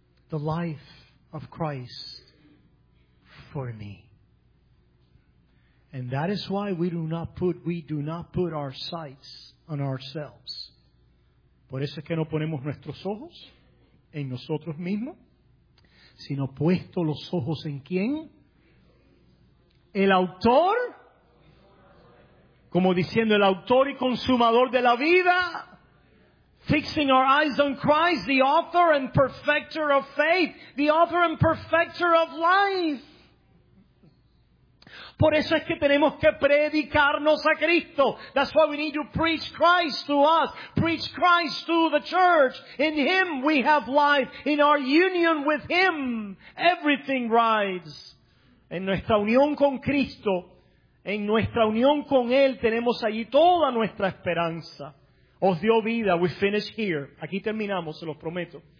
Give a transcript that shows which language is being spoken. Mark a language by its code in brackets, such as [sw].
[en] The life of Christ for me. And that is why we do not put our sights on ourselves. [es] Por eso es que no ponemos nuestros ojos en nosotros mismos, sino puesto los ojos en quién? El autor, como diciendo el autor y consumador de la vida, [en] fixing our eyes on Christ, the author and perfecter of faith, the author and perfecter of life. [es] Por eso es que tenemos que predicarnos a Cristo. [en] That's why we need to preach Christ to us. Preach Christ to the church. In Him we have life. In our union with Him, everything rides. [es] En nuestra unión con Cristo, en nuestra unión con Él, tenemos allí toda nuestra esperanza. Os dio vida, [en] we finish here. [es] Aquí terminamos, se los prometo.